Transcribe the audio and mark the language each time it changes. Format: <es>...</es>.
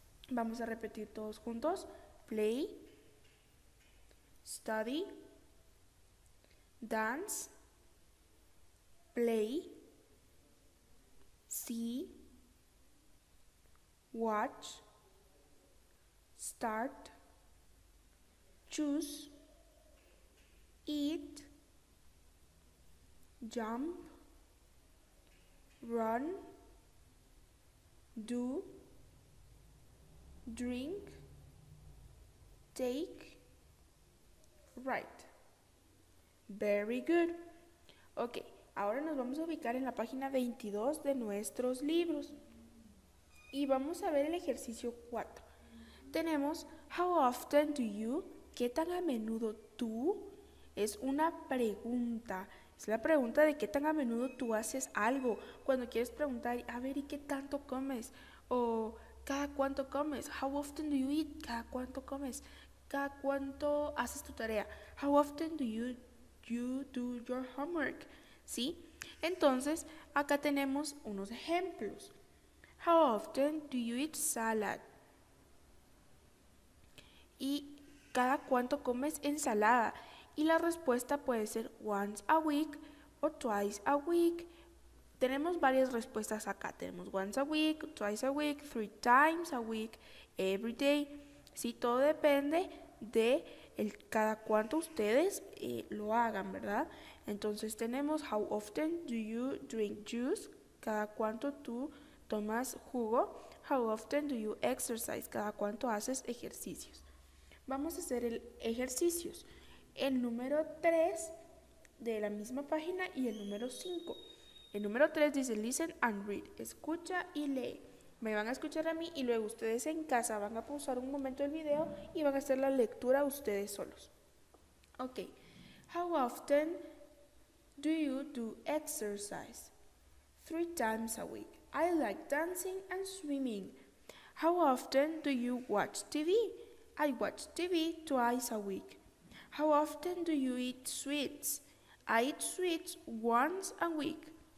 <es>Vamos a repetir todos juntos,</es> <en>play, study, dance, play, see, watch, start, choose, eat, jump, run, do, drink, take, right. Very good.</en> <es>Ok, ahora nos vamos a ubicar en la página 22 de nuestros libros. Y vamos a ver el ejercicio 4. Tenemos,</es> <en>how often do you,</en> <es>qué tan a menudo tú, es una pregunta. Es la pregunta de qué tan a menudo tú haces algo. Cuando quieres preguntar, a ver, ¿y qué tanto comes? O, ¿cada cuánto comes?</es> <en>How often do you eat?</en> <es>¿Cada cuánto comes? ¿Cada cuánto haces tu tarea?</es> <en>How often do you do your homework?</en> <es>¿Sí? Entonces, acá tenemos unos ejemplos.</es> <en>How often do you eat salad?</en> <es>¿Y cada cuánto comes ensalada? Y la respuesta puede ser</es> <en>once a week</en> <es>o</es> <en>twice a week.</en> <es>Tenemos varias respuestas acá. Tenemos</es> <en>once a week, twice a week, three times a week, every day.</en> <es>Sí, todo depende de el cada cuánto ustedes lo hagan, ¿verdad? Entonces tenemos</es> <en>how often do you drink juice?</en> <es>Cada cuánto tú tomas jugo.</es> <en>How often do you exercise?</en> <es>Cada cuánto haces ejercicios. Vamos a hacer el ejercicios. El número 3 de la misma página y el número 5. El número 3 dice</es> <en>listen and read.</en> <es>Escucha y lee. Me van a escuchar a mí y luego ustedes en casa van a pausar un momento el video y van a hacer la lectura ustedes solos.</es> <en>Ok. How often do you do exercise? Three times a week. I like dancing and swimming. How often do you watch TV? I watch TV twice a week. How often do you eat sweets? I eat sweets once a week.</en>